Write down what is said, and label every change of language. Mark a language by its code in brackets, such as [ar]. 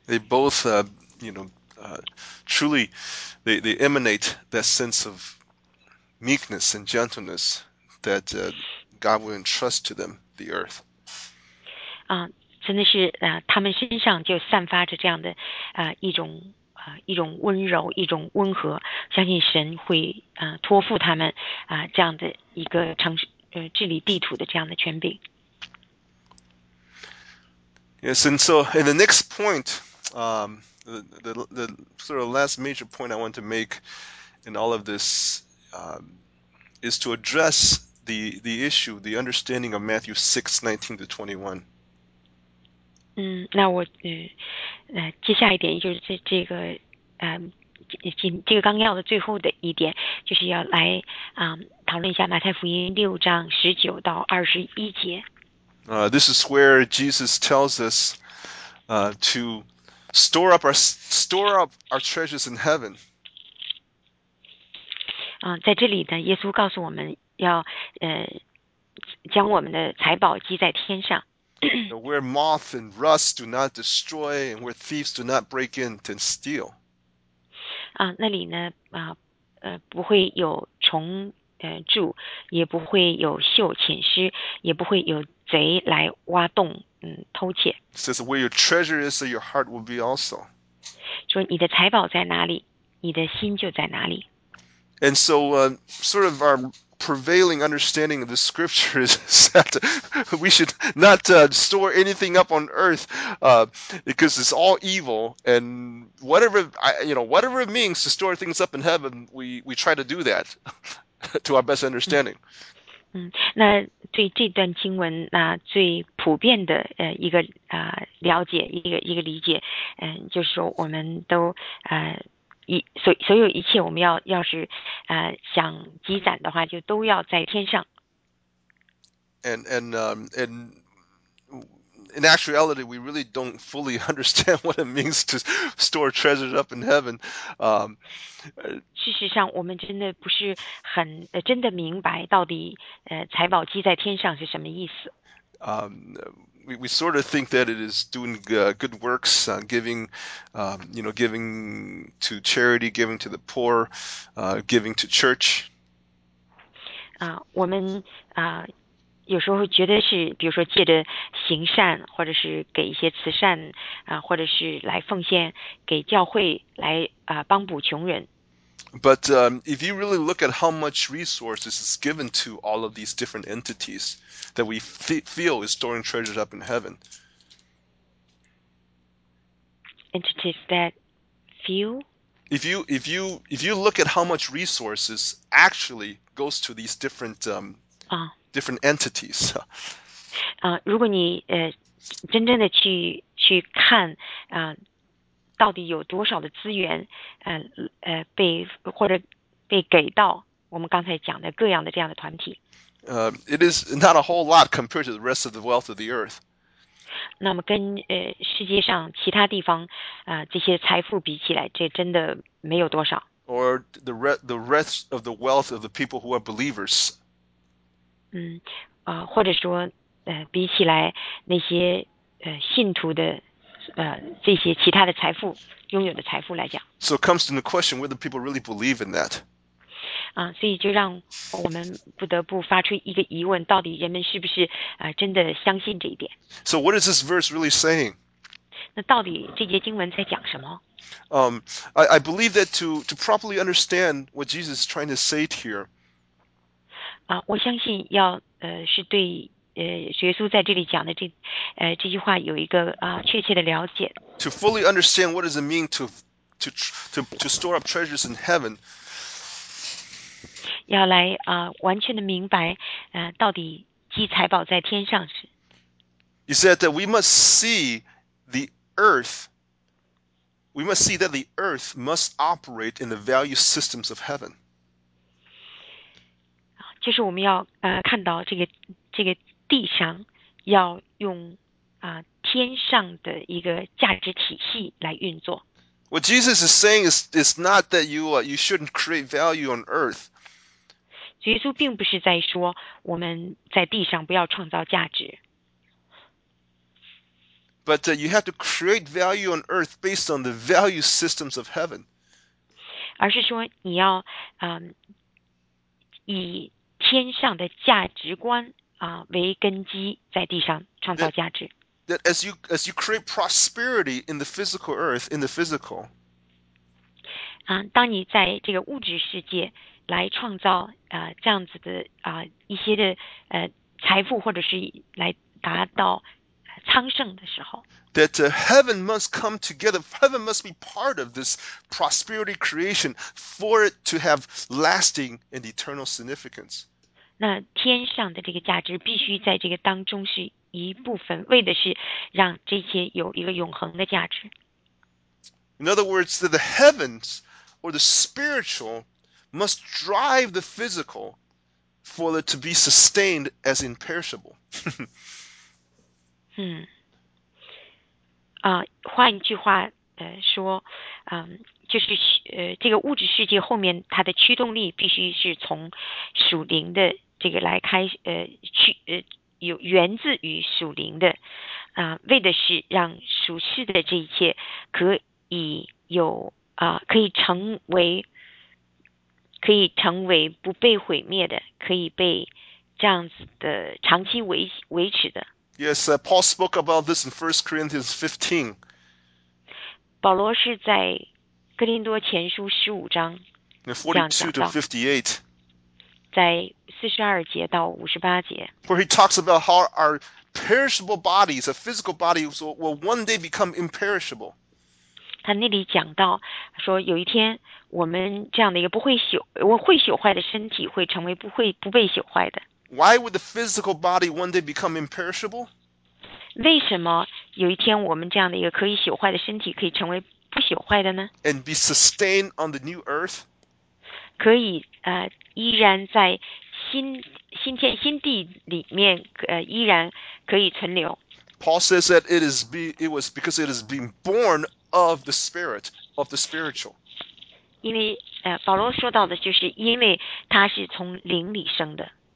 [en] They both, you know, truly, they emanate that sense of meekness and gentleness that God will entrust to them the earth. [zh] 真的是他们身上就散发着这样的一种温柔，一种温和，相信神会托付他们这样的一个城市治理地图的这样的权柄。 [en] Yes, and so in the next point, the sort of last major point I want to make in all of this is to address the issue, the understanding of Matthew 6:19-21. [zh] 那我接下一点就是这个这个纲要的最后的一点，就是要来讨论一下马太福音6:19-21. [en] This is where Jesus tells us to store up our treasures in heaven. [zh] 在这里呢，耶稣告诉我们要将我们的财宝积在天上。 [en] Where moth and rust do not destroy, and where thieves do not break in to steal. [zh] 那里呢？不会有虫蛀，也不会有锈侵蚀，也不会有贼来挖洞，偷窃。 [en] Says where your treasure is, so your heart will be also. [zh] 说你的财宝在哪里，你的心就在哪里。 [en] And so, sort of our prevailing understanding of the scripture is that we should not store anything up on earth, because it's all evil. And whatever it means to store things up in heaven, we try to do that to our best understanding. [zh] 那对这段经文，那最普遍的了解一个理解，就是说我们都所有一切我们要是想积攒的话，就都要在天上。 [en] And in actuality, we really don't fully understand what it means to store treasures up in heaven. [zh] 事实上，我们真的不是很真的明白到底财宝积在天上是什么意思。 [en] We sort of think that it is doing good works, giving to charity, giving to the poor, giving to church. [zh] 我们有时候觉得是，比如说借着行善，或者是给一些慈善，或者是来奉献给教会，来帮补穷人。 [en] But if you really look at how much resources is given to all of these different entities that we feel is storing treasures up in heaven. Entities that feel? If you look at how much resources actually goes to these different, different entities. [zh] 如果你真正的去看到底有多少的资源，被给到我们刚才讲的各样的这样的团体。 [en] It is not a whole lot compared to the rest of the wealth of the earth. [zh] 那么跟世界上其他地方这些财富比起来，这真的没有多少。 [en] Or the rest of the wealth of the people who are believers. [zh] 或者说比起来那些信徒的。这些其他的财富，拥有的财富来讲。 [en] So it comes to the question whether people really believe in that. [zh] 所以就让我们不得不发出一个疑问，到底人们是不是真的相信这一点。 [en] So what is this verse really saying? [zh] 那到底这节经文在讲什么？ [en] I believe that to properly understand what Jesus is trying to say here. [zh] 我相信要是对耶稣在这里讲的这句话有一个确切的了解。 [en] To fully understand what does it mean to store up treasures in heaven， [zh] 要来完全的明白到底积财宝在天上是。 [en] He said that we must see the earth， we must see that the earth must operate in the value systems of heaven。 [zh] 就是我们要看到这个。地上要用天上的一个价值体系来运作。 [en] What Jesus is saying is not that you shouldn't create value on earth. [zh] 耶稣并不是在说我们在地上不要创造价值。 [en] But you have to create value on earth based on the value systems of heaven. [zh] 而是说你要以天上的价值观。为根基在地上创造价值。 [en] That as you create prosperity in the physical earth, in the physical. [zh] 当你在这个物质世界来创造这样子的一些的财富，或者是来达到昌盛的时候。 [en] That heaven must come together. Heaven must be part of this prosperity creation for it to have lasting and eternal significance. [zh] 那天上的这个价值必须在这个当中是一部分，为的是让这些有一个永恒的价值。 [en] In other words, that the heavens or the spiritual must drive the physical for it to be sustained as imperishable. [zh] 换一句话说，就是这个物质世界后面它的驱动力必须是从属灵的。这个来开有源自于属灵的为的是让属世的这一切可以有可以成为不被毁灭的，可以被这样子的长期维持的。 [en] Yes, Paul spoke about this in 1 Corinthians 15. [zh] 保罗是在哥林多前书十五章这样讲到。在42节到58节。 [en] Where he talks about how our perishable bodies, a physical body, will one day become imperishable. [zh] 他那里讲到说有一天我们这样的一个不会朽，我会朽坏的身体会成为不会不被朽坏的。 [en] Why would the physical body one day become imperishable? [zh] 为什么有一天我们这样的一个可以朽坏的身体可以成为不朽坏的呢？ [en] And be sustained on the new earth? [zh] 可以依然在新天新地里面依然可以存留。 [en] Paul says that it was because it is being born of the spirit, of the spiritual. [zh] 因为保罗说到的就是因为他是从灵里生的。